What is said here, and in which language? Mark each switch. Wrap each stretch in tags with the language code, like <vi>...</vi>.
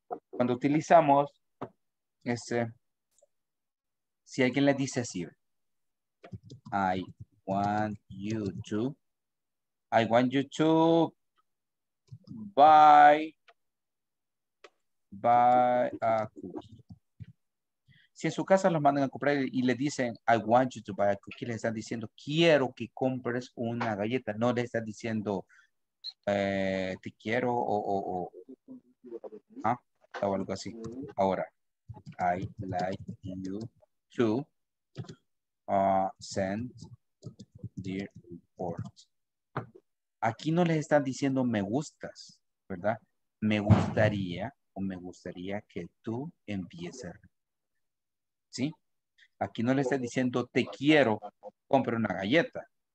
<es>Cuando utilizamos este, si alguien le dice así,</es> <en>I want you to, I want you to buy a cookie.</en> <es>Si en su casa los mandan a comprar y le dicen,</es> <en>I want you to buy a cookie,</en> <es>les están diciendo, quiero que compres una galleta. No le están diciendo, te quiero o algo así.</es> <en>Ahora, I like you to send the report.</en> <es>Aquí no les están diciendo me gustas, ¿verdad? Me gustaría o me gustaría que tú envíes el report. ¿Sí? Aquí no le está diciendo te quiero compre una galleta.</es>